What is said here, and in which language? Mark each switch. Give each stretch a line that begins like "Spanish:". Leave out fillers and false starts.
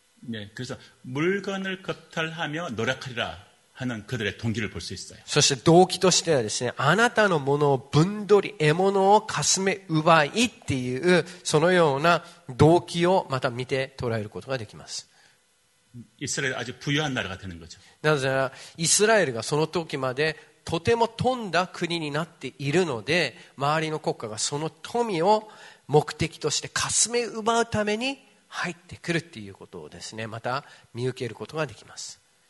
Korean: 네그래서물건을겁탈하며노력하리라하는그들의동기를볼수있어요
Japanese: そして動機としてはですね、あなたのものを分取り、獲物をかすめ奪いっていう、そのような動機をまた見て捉えることができます。
Korean: 이스라엘아주부유한나라가되는거죠
Japanese: なぜなら이스라엘がその時までとても富んだ国になっているので、周りの国家がその富を目的としてかすめ奪うために入ってくるっていうことをですね、また見受けることができます。